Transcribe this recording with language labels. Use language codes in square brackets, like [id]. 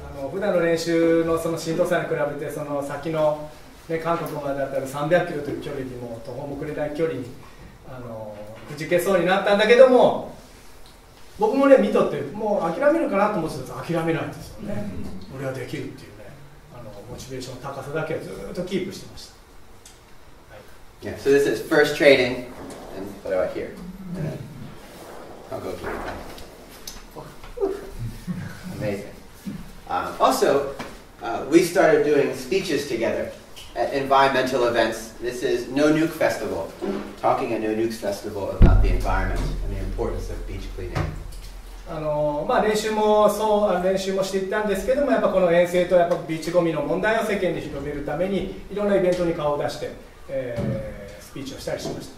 [ja] 普段の練習のそのしんどさに比べて、その先のね、韓国まであったら300キロという距離にも途方も暮れない距離に、くじけそうになったんだけども。僕もね、見とってもう諦めるかなと思ってたんです。諦めないんですよね。俺はできるっていうね、モチベーションの高さだけをずっとキープしてました。 [en] はい、yeah, so this is first training, and what about here? I'll go here. Amazing. Also, we started doing speeches together at environmental events. This is No Nuke Festival. Talking at No Nuke Festival about the environment and the importance of beach cleaning. [ja] まあ、練習もしていったんですけども、やっぱこの遠征とやっぱビーチゴミの問題を世間に広めるためにいろんなイベントに顔を出して、スピーチをしたりしました。